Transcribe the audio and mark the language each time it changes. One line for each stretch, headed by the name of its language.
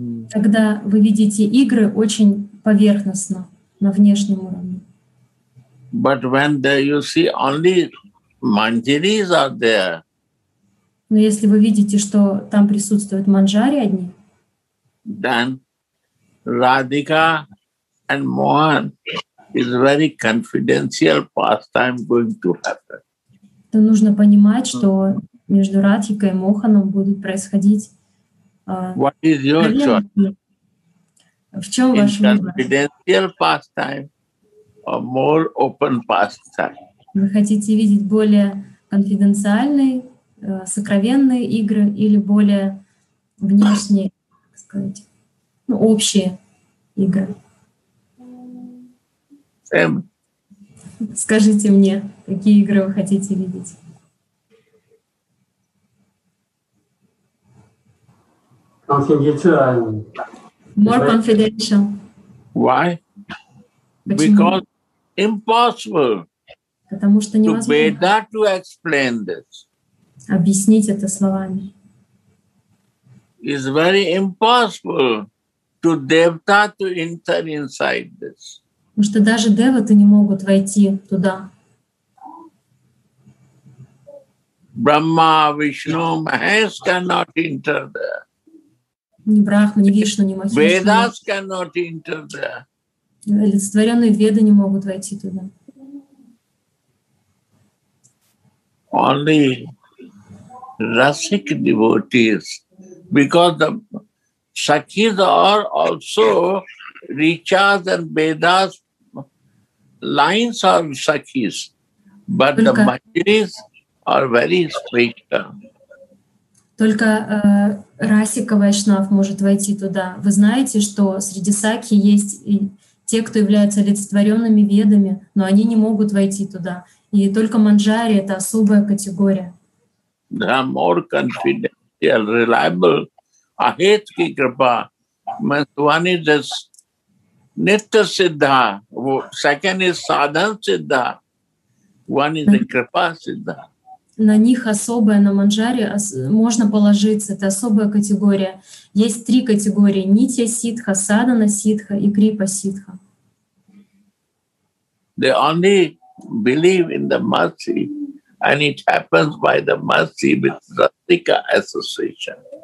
Russian: Тогда вы видите игры очень поверхностно, на внешнем уровне.
English: But when there you see only manjaris are there.
Russian: Но если вы видите, что там присутствуют манджари одни,
English: then Radhika and Mohan is very confidential pastime going to happen.
Russian: То нужно понимать, что между Радхикой и Моханом будут происходить.
English: What is your choice?
Russian: В чем
English: in
Russian: ваш выбор?
English: Confidential pastime or more open pastime?
Russian: Вы хотите видеть более конфиденциальные, сокровенные игры или более внешние, так сказать, ну, общие игры?
English: Same.
Russian: Скажите мне, какие игры вы хотите видеть?
English: Confidential. More confidential. Why?
Russian: Почему?
English: Because impossible.
Russian: Потому что невозможно
English: to explain this.
Russian: Объяснить это словами.
English: It's very impossible to Devta to enter inside this.
Russian: Потому что даже деваты не могут войти туда.
English: Brahma, Vishnu, Mahesh cannot enter there.
Russian: Ни Брахма, ни Вишну, ни Махеш.
English: Vedas cannot enter there.
Russian: Олицетворенные веды не могут войти туда.
English: Only rasic devotees, because the sakhis are also richas and vedas lines are sakhis, but
Russian: только,
English: the manjaris are very special.
Russian: Только расика вайшнав может войти туда. Вы знаете, что среди сакхи есть и те, кто являются олицетворенными ведами, но они не могут войти туда. И только манджари — это особая категория.
English: They are more confidential, reliable. Ahet ki kripa. One is this nitya siddha. Second is sadhan siddha. One is the kripa siddha.
Russian: На них особое, на манджари можно положиться. Это особая категория. Есть три категории. Нитья сиддха, садхана сиддха и крипа сиддха.
English: They only believe in the mercy. And it happens by the mercy with Radhika association.